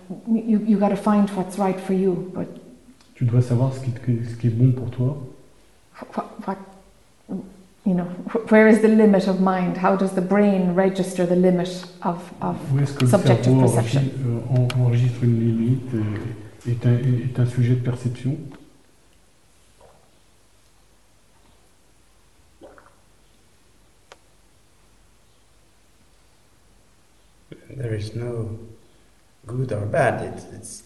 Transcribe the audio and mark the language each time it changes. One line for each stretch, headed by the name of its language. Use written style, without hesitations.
English: You got to find what's right for you, but
French: tu dois savoir ce qui est bon pour toi.
English: What, you know, where is the limit of mind? How does the brain register the limit of subjective perception?
French: Enregistre une limite est un sujet de perception.
English: There is no good or bad. It's